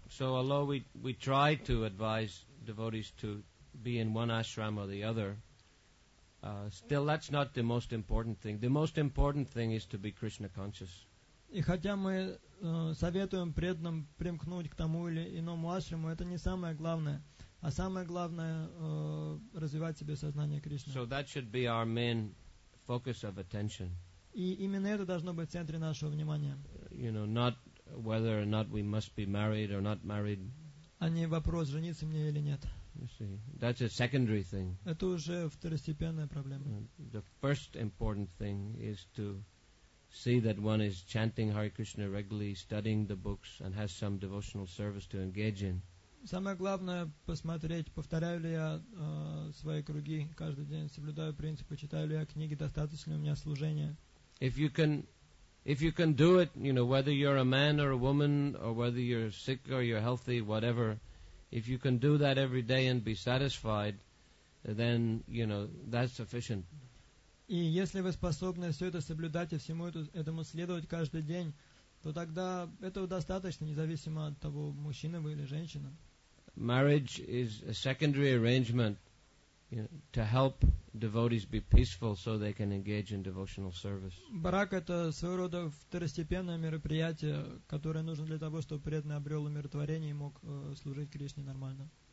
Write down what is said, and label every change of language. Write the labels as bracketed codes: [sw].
[en] So although we try to advise devotees to be in one ashram or the other, still that's not the most important thing. The most important thing is to be Krishna conscious. [ru] И хотя мы советуем преданным примкнуть к тому или иному ашраму, это не самое главное. А самое главное развивать в себе сознание Кришны. [en] So that should be our main focus of attention. [ru] И именно это должно быть в центре нашего внимания. [en] You know, not whether or not we must be married or not married. [ru] А не вопрос, жениться мне или нет. [en] You see, that's a secondary thing. [ru] Это уже второстепенная проблема. [en] The first important thing is to see that one is chanting Hare Krishna regularly, studying the books, and has some devotional service to engage in. [ru] Самое главное посмотреть, повторяю ли я свои круги каждый день, соблюдаю принципы, читаю ли я книги, достаточно ли у меня служения. [en] If you can do it, you know, whether you're a man or a woman, or whether you're sick or you're healthy, whatever, if you can do that every day and be satisfied, then, you know, that's sufficient. [ru] И если вы способны все это соблюдать и всему этому следовать каждый день, то тогда этого достаточно, независимо от того, мужчина вы или женщина. [en] Marriage is a secondary arrangement, you know, to help devotees be peaceful so they can engage in devotional service. [ru] Брак – это своего рода второстепенное мероприятие, которое нужно для того, чтобы преданный обрел умиротворение и мог служить Кришне нормально.